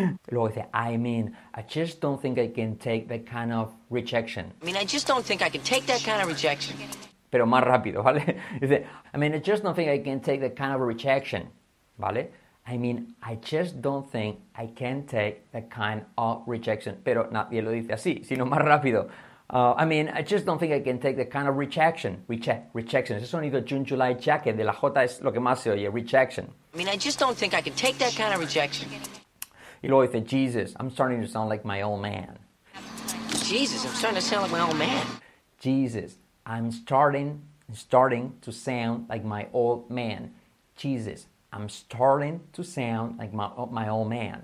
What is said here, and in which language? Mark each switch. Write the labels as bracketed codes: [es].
[es] Luego dice, [en] I mean, I just don't think I can take that kind of rejection. I mean, I just don't think I can take that kind of rejection. [es] Pero más rápido, ¿vale? Dice, [en] I mean, I just don't think I can take that kind of rejection. [es] ¿Vale? [en] I mean, I just don't think I can take that kind of rejection. [es] Pero nadie lo dice así, sino más rápido. [en] I mean, I just don't think I can take the kind of rejection. Rejection. [es] Ese sonido June, July, jacket de la J es lo que más se oye. [en] Rejection. I mean, I just don't think I can take that kind of rejection. [es] Y luego dice, [en] Jesus, I'm starting to sound like my old man. Jesus, I'm starting to sound like my old man. Jesus, I'm starting to sound like my old man. Jesus, I'm starting to sound like my old man.